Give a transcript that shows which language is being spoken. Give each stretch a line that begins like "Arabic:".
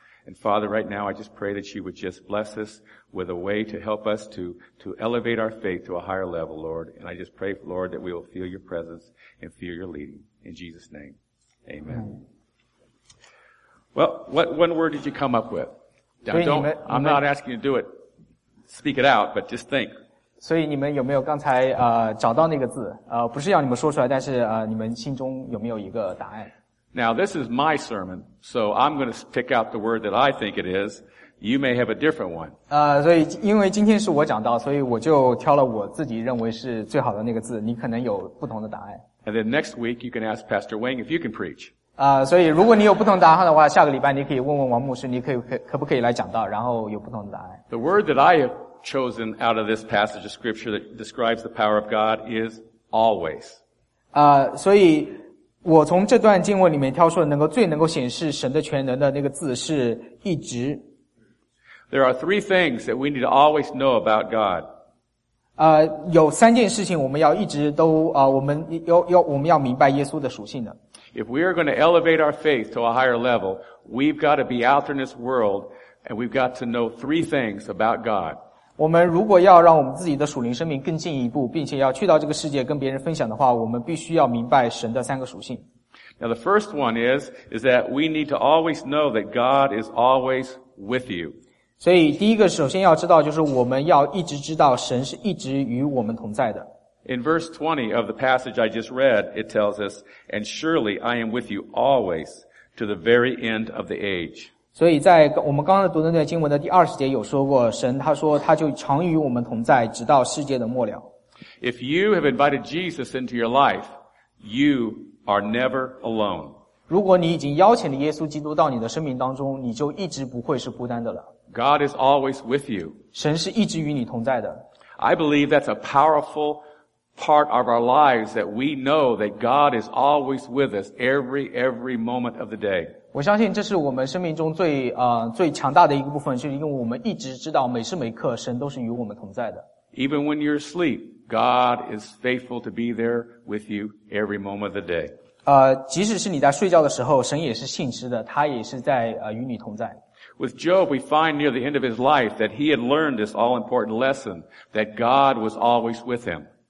English: And Father, right now, I just pray that you would just bless us with a way to help us to elevate our faith to a higher level, Lord. And I just pray, Lord, that we will feel your presence and feel your leading. In Jesus' name, amen. Amen. Well, what one word did you come up with? I'm not asking you to do it, speak it out, but just think.
Chinese: 所以你们有没有刚才找到那个字？不是要你们说出来，但是你们心中有没有一个答案？
English: Now, this is my sermon, so I'm going to pick out the word that I think it is. You may have a different one.
Chinese: 所以因为今天是我讲到，所以我就挑了我自己认为是最好的那个字。你可能有不同的答案。
English: And then next week, you can ask Pastor Wang if you can preach.
Chinese: 所以如果你有不同答案的话，下个礼拜你可以问问王牧师，你可不可以来讲到，然后有不同的答案。
English: The word that I have chosen out of this passage of scripture that describes the power of God is always.
Chinese: 所以我从这段经文里面挑出的能够最能够显示神的全能的那个字是一直。
English: There are three things that we need to always know about God.
Chinese: 有三件事情我们要一直都我们要明白耶稣的属性的。
English: If we are going to elevate our faith to a higher level, we've got to be out in this world, and we've got to know three things about God.
Chinese: 我们如果要让我们自己的属灵生命更进一步，并且要去到这个世界跟别人分享的话，我们必须要明白神的三个属性。
English: Now the first one is that we need to always know that God is always with you.
Chinese: 所以第一个首先要知道就是我们要一直知道神是一直与我们同在的。
English: In verse 20 of the passage I just read, it tells us, And surely I am with you always to the very end of the age.
Chinese: 所以在我们刚刚读的那段经文的第二十节有说过，神他说他就常与我们同在，直到世界的末了。
English: If you have invited Jesus into your life, you are never alone.
Chinese: 如果你已经邀请了耶稣基督到你的生命当中，你就一直不会是孤单的了。
English: God is always with you.
Chinese: 神是一直与你同在的。
English: I believe that's a powerful part of our lives that we know that God is always with us every moment of the day.
Chinese: 我相信这是我们生命中最强大的一个部分，就是因为我们一直知道每时每刻神都是与我们同在的。
English: Even when you're asleep, God is faithful to be there with you every moment of the day.
Chinese: 即使是你在睡觉的时候，神也是信实的，他也是在与你同在。
English: With Job, we find near the end of his life that he had learned this all-important lesson that God was always with him.